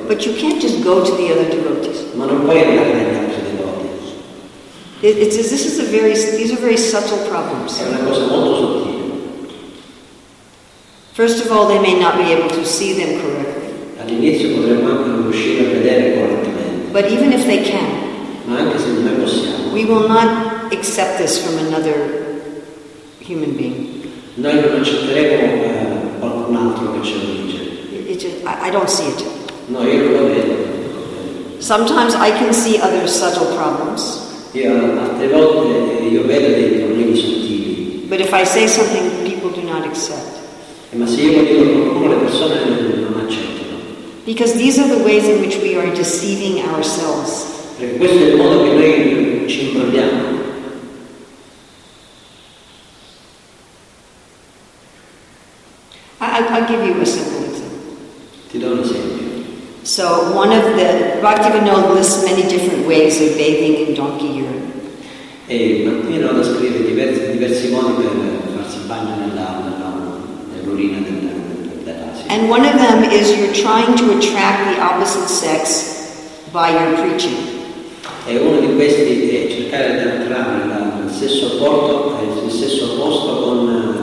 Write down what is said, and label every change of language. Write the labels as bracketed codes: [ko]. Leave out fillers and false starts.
[en] But you can't just go to the other devotees. [it] Ma non puoi andare dagli altri devoti. [en] These are very subtle problems. [it] È una cosa molto sottile. [en] First of all, they may not be able to see them correctly. [it] All'inizio potremmo anche non riuscire a vedere correttamente. [en] But even if they can, [it] ma anche se non possiamo, [en] we will not accept this from another human being. [it] Noi non accetteremo. [en] I don't see it. [it] No, io non lo vedo. [en] Sometimes I can see other subtle problems. [it] Altre volte io vedo dei problemi sottili. [en] But if I say something, people do not accept. [it] Ma se io lo dico qualcuno, le persone non accettano. [en] Because these are the ways in which we are deceiving ourselves. [it] Perché questo è il modo che noi ci imbrogliamo. [en] I'll give you a simple example. So one of the Bhaktivinoda lists many different ways of bathing in donkey urine. [it] E Bhaktivinoda scrive diversi modi per farsi bagno nell'urina dell'asino. [en] And one of them is you're trying to attract the opposite sex by your preaching. [it] E uno di questi è cercare di attrarre il sesso opposto con